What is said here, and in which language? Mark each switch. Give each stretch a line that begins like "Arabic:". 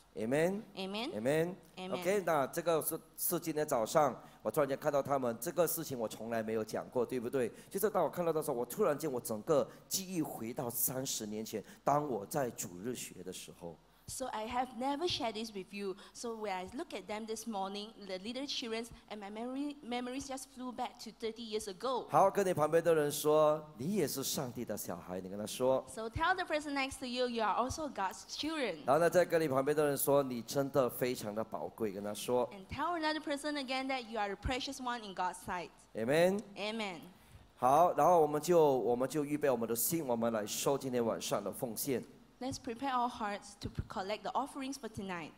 English: Amen. Amen. Amen. Amen.
Chinese: Okay, 那这个是今天早上。我突然间看到他们这个事情，我从来没有讲过，对不对？就是当我看到的时候，我突然间我整个记忆回到三十年前，当我在主日学的时候。
English: So I have never shared this with you. So when I look at them this morning, the little children and my memories just flew back to 30 years ago.
Chinese: 好，跟你旁边的人说，你也是上帝的小孩。你跟他说。
English: So tell the person next to you, you are also God's children.
Chinese: 然后呢，再跟你旁边的人说，你真的非常的宝贵。跟他说。
English: And tell another person again that you are a precious one in God's sight. Amen. Amen.
Chinese: 好，然后我们就预备我们的心，我们来收今天晚上的奉献。
English: Let's prepare our hearts to collect the offerings for tonight.